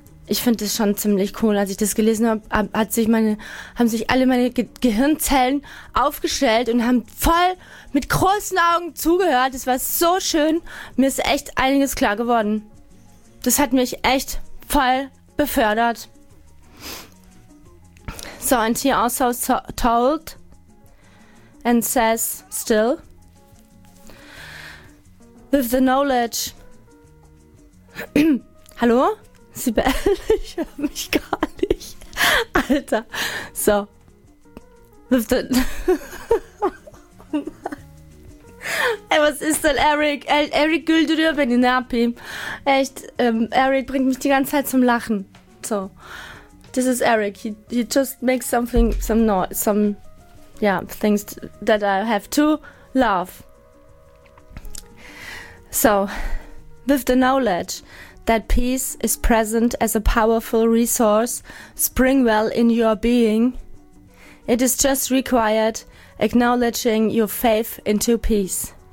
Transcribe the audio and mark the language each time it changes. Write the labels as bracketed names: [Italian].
[German] Ich finde das schon ziemlich cool. Als ich das gelesen habe, haben sich alle meine Gehirnzellen aufgestellt und haben voll mit großen Augen zugehört. Das war so schön. Mir ist echt einiges klar geworden. Das hat mich echt voll befördert. [English] So, and he also told and says still, with the knowledge. [German] Hallo? Sibel, ich höre mich gar nicht. Alter. So. [English] With the. [German] Ey, was ist denn, Eric? Eric, güll du dir, wenn ich nerv ihm. Echt, Eric bringt mich die ganze Zeit zum Lachen. [English] So. This is Eric. He just makes something, some noise, some, yeah, things that I have to love. So, with the knowledge that peace is present as a powerful resource, springwell in your being, it is just required acknowledging your faith into peace.